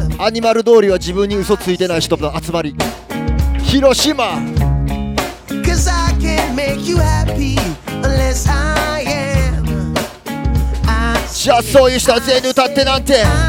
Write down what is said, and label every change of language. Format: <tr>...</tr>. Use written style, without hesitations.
<ja>ニマル通りは自分に嘘ついてない人の集まり広島。</ja> <en>Cause I can't make you happy unless I am.</en> <ja>じゃあそういう人は全員歌ってなんて。</ja>